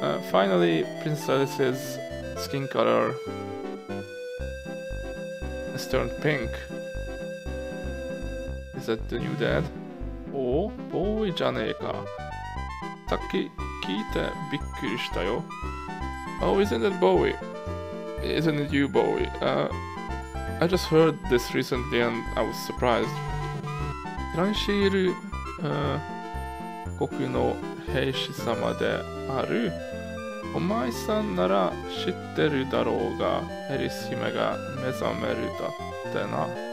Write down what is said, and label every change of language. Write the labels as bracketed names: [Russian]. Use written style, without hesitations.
[English] Finally, Princess's skin color has turned pink. Is that the new dad? Oh, boy, [Japanese] じゃねえか。さっき聞いてびっくりしたよ。 [English] Oh, isn't that Bowie? Isn't it you, Bowie? I just heard this recently and I was surprised. [Japanese] トランシール、国の兵士様である。お前さんなら知ってるだろうが、エリス姫が目覚めるだってな。